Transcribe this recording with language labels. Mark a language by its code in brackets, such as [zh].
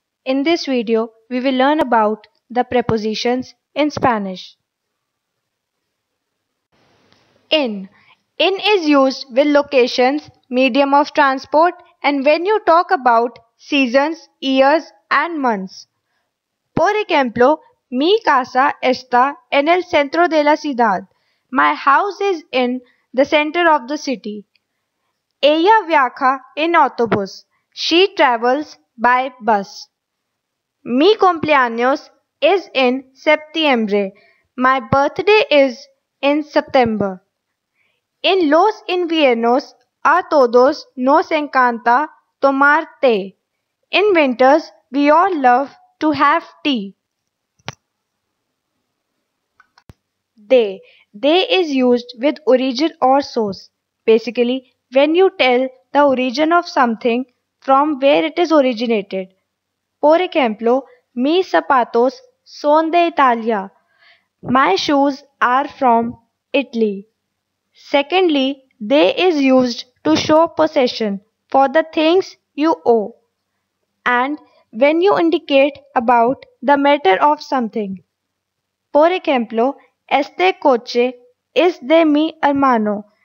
[en] In this video, we will learn about the prepositions in Spanish. In is used with locations, medium of transport, and when you talk about seasons, years, and months. [es] Por ejemplo, mi casa está en el centro de la ciudad. [en] My house is in the center of the city. [es] Ella viaja en autobús. [en] She travels by bus. [es] Mi cumpleaños [en] is in [es] septiembre. [en] My birthday is in September. [es] En los inviernos a todos nos encanta tomar té. [en] In winters, we all love to have tea. They is used with origin or source. Basically, when you tell the origin of something from where it is originated. [es] Por ejemplo, mis zapatos son de Italia. [en] My shoes are from Italy. Secondly, they is used to show possession for the things you owe. And when you indicate about the matter of something. [es] Por ejemplo, este coche es de mi hermano.